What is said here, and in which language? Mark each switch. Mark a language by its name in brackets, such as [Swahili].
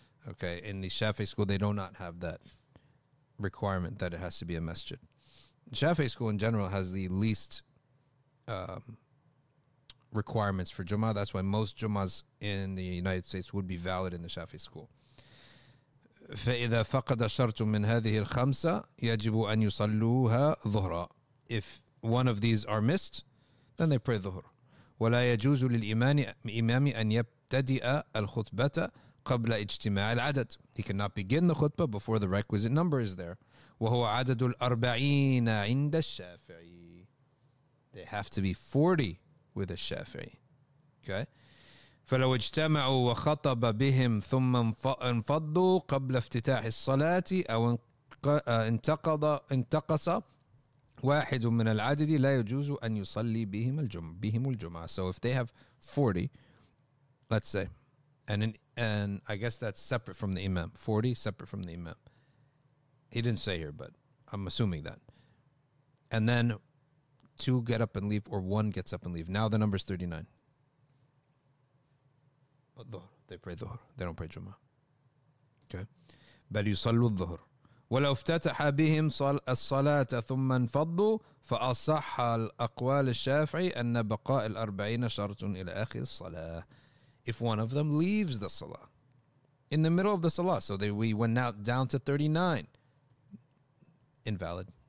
[English] Okay, in the Shafi'i school, they do not have that requirement that it has to be a masjid. Shafi'i school in general has the least requirements for Jummah. That's why most Jummahs in the United States would be valid in the Shafi'i school. [Arabic] فإذا فقد شرط من هذه الخمسة يجب أن يصلوها ظهرا. [English] If one of these are missed, then they pray ظهر. [Arabic] ولا يجوز للإمام أن يبتدئ الخطبة قبل اجتماع العدد. [English] He cannot begin the khutbah before the requisite number is there. [Arabic] وهو عدد الأربعين عند الشافعي. [English] They have to be 40 with a Shafi'i. Okay. [Arabic] فلو اجتمعوا وخطب بهم ثم انفضوا قبل افتتاح الصلاة أو انتقص واحد من العدد لا يجوز أن يصلي بهم الجمعة. [English] So if they have 40, let's say, and I guess that's separate from the imam, 40 separate from the imam. He didn't say here, but I'm assuming that. And then two get up and leave, or one gets up and leave. Now the number is 39. الظهر. They pray الظهر. They don't pray جمعة. Okay. [Arabic] بل يصلوا الظهر. ولو افتتح بهم الصلاة ثم انفضوا فأصح الأقوال الشافعي أن بقاء الأربعين شرط إلى آخر الصلاة. [English] If one of them leaves the salah in the middle of the salah, so they we went out down to 39, invalid.